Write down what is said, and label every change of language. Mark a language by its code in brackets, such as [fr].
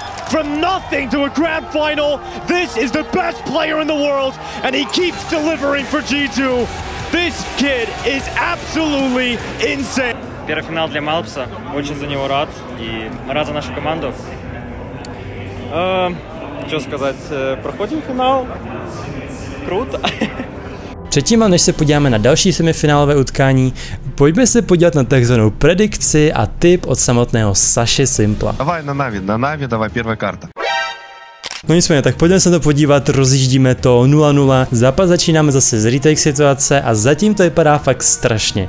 [en] From nothing to a grand final, this is the best player in the world and he keeps delivering for G2. This kid is absolutely insane. [ru] Первый финал для Малпса. Очень за него рад и рад за нашу команду. Что сказать, проходим финал. Круто. [cs] Předtím, než se podíváme na další semifinálové utkání, pojďme se podívat na takzvanou predikci a tip od samotného Saši Simpla. Dávaj na Navi, dávaj první karta. No nicméně, tak pojďme se to podívat, rozjíždíme to 0-0, zápas začínáme zase z retake situace a zatím to vypadá fakt strašně.